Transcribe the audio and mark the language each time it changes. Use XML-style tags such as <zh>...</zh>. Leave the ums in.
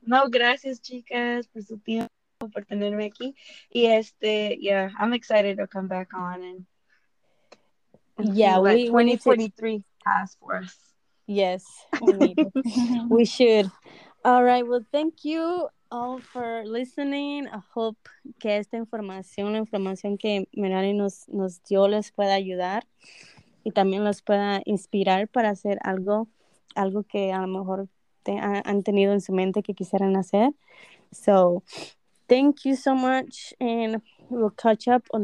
<es>No, gracias, chicas, por su tiempo, por tenerme aquí. Y este,</es> <en>yeah, I'm excited to come back on and, and see Yeah, what we- we need to- 2043 has for us. Yes, we need it. we should. All right, well, thank you all for listening. I hope</en> <es>que esta información, la información que Melanie nos, nos dio, les pueda ayudar y también los pueda inspirar para hacer algo, algo que a lo mejor te- ha- han tenido en su mente que quisieran hacer.</es> <en>So, thank you so much, and we'll catch up on</en>